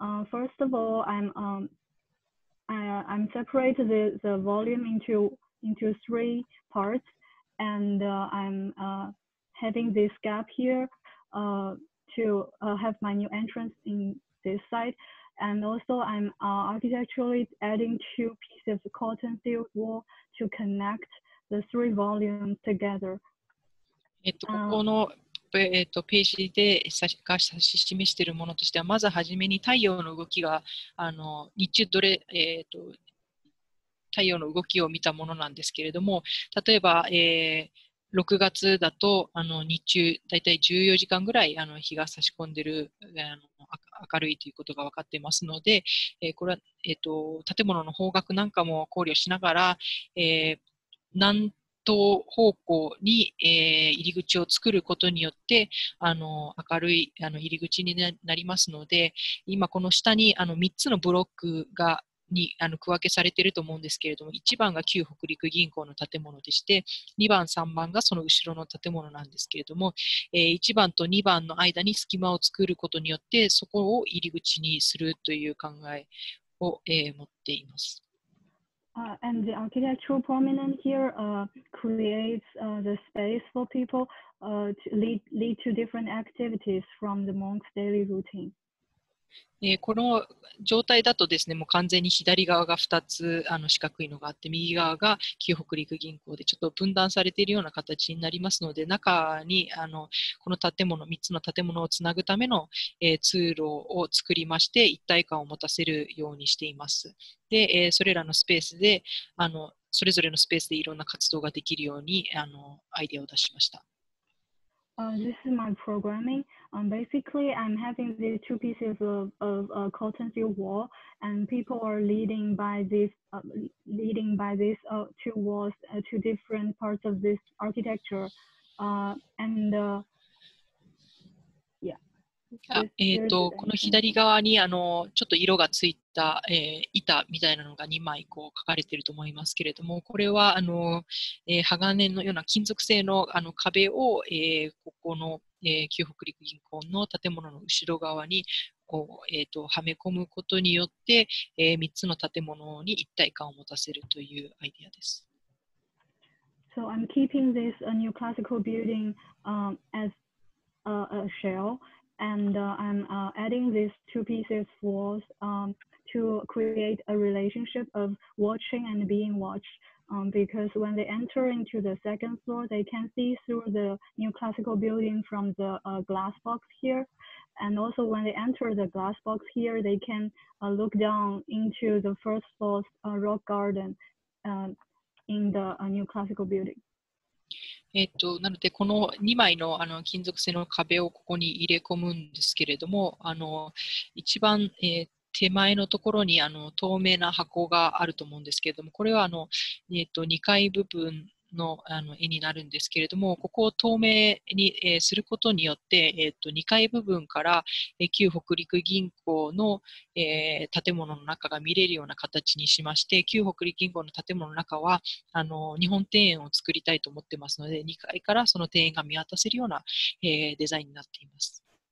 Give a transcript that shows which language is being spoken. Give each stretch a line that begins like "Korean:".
English: first of all, I'm separated the volume into three parts, and I'm having this gap here to have my new entrance in this side, and also I'm architecturally adding two pieces of cotton field wall to connect the three volumes together.
Japanese: ページで指し示しているものとしては、まずはじめに太陽の動きが日中どれ、太陽の動きを見たものなんですけれども、例えば、6月だと日中だいたい14時間ぐらい日が差し込んでいる明るいということが分かっていますので、これは、建物の方角なんかも考慮しながら、南東方向に、入り口を作ることによって明るい入り口になりますので、今この下に3つのブロックがに区分けされていると思うんですけれども、1番が旧北陸銀行の建物でして、2番3番がその後ろの建物なんですけれども、1番と2番の間に隙間を作ることによって、そこを入り口にするという考えを、持っています。
English: And the architectural prominence here creates the space for people to lead to different activities from the monk's daily routine.
Japanese: この状態だとですね、もう完全に左側が2つ四角いのがあって、右側が旧北陸銀行で、ちょっと分断されているような形になりますので、中にこの建物、3つの建物をつなぐための、通路を作りまして、一体感を持たせるようにしています。で、それらのスペースで、それぞれのスペースでいろんな活動ができるようにアイデアを出しました。
English: This is my programming. Basically, I'm having these two pieces of a cotton field wall, and people are leading by these two walls to different parts of this architecture.
Japanese: この左側にちょっと色がついた、板みたいなのが2枚こう書かれていると思いますけれども、これは鋼のような金属製 の, 壁を、ここの、旧北陸銀行の建物の後ろ側にこう、はめ込むことによって、3つの建物に一体感を持たせるというアイデアです。
English: So I'm keeping this new classical building as a shellAnd I'm adding these two pieces of walls to create a relationship of watching and being watched. Because when they enter into the second floor, they can see through the new classical building from the glass box here. And also when they enter the glass box here, they can look down into the first floor's rock garden in the new classical building.
Japanese: なので、この2枚 の, 金属製の壁をここに入れ込むんですけれども、一番、手前のところに透明な箱があると思うんですけれども、これは2階部分の、 あの絵になるんですけれども、ここを透明に、することによって、2階部分から、旧北陸銀行の、建物の中が見れるような形にしまして、旧北陸銀行の建物の中はあの日本庭園を作りたいと思ってますので、2階からその庭園が見渡せるような、デザインになっています。